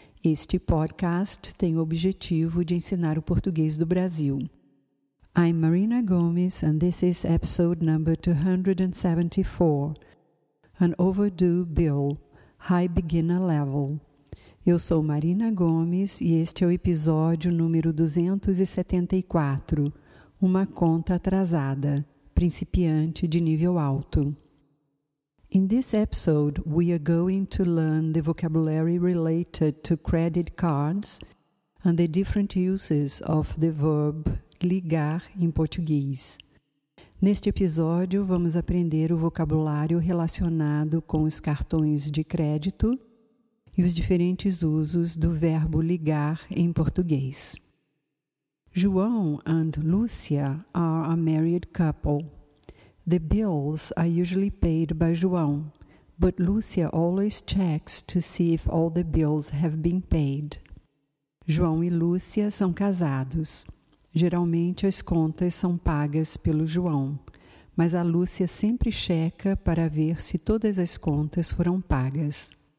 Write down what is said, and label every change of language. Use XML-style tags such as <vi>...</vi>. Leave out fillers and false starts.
<pt>Este podcast tem o objetivo de ensinar o português do Brasil.</pt> <en>I'm Marina Gomes, and this is episode number 274. An Overdue Bill, High Beginner Level.</en> <pt>Eu sou Marina Gomes e este é o episódio número 274. Uma conta atrasada, principiante de nível alto.</pt> <en>In this episode, we are going to learn the vocabulary related to credit cards and the different uses of the verb ligar</en> <pt>em português. Neste episódio, vamos aprender o vocabulário relacionado com os cartões de crédito e os diferentes usos do verbo ligar em português.</pt> <en>João and Lúcia are a married couple. The bills are usually paid by João, but Lúcia always checks to see if all the bills have been paid.</en> <pt>João e Lúcia são casados. Geralmente as contas são pagas pelo João, mas a Lúcia sempre checa para ver se todas as contas foram pagas.</pt>